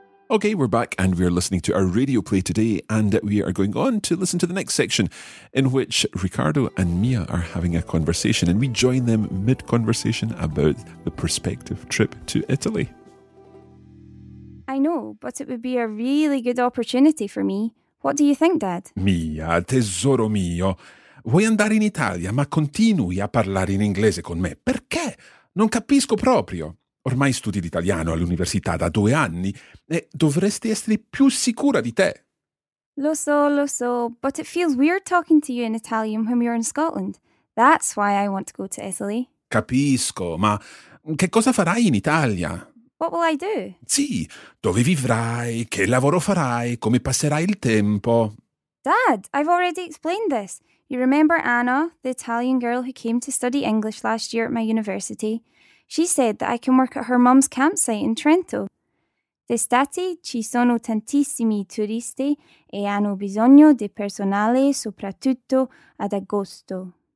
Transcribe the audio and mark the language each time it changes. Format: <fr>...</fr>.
<en>Okay, we're back and we're listening to our radio play today and we are going on to listen to the next section in which Riccardo and Mia are having a conversation and we join them mid-conversation about the prospective trip to Italy. I know, but it would be a really good opportunity for me. What do you think, Dad?</en> <it>Mia, tesoro mio, vuoi andare in Italia ma continui a parlare in inglese con me? Perché? Non capisco proprio. Ormai studi l'italiano all'università da 2 anni e dovresti essere più sicura di te. Lo so,</it> <en>but it feels weird talking to you in Italian when you're in Scotland. That's why I want to go to Italy.</en> <it>Capisco, ma che cosa farai in Italia?</it> <en>What will I do?</en> <it>Sì, dove vivrai, che lavoro farai, come passerai il tempo?</it> <en>Dad, I've already explained this. You remember Anna, the Italian girl who came to study English last year at my university? She said that I can work at her mum's campsite in Trento.</en> <it>D'estate ci sono tantissimi turisti e hanno bisogno di personale soprattutto ad agosto.</it>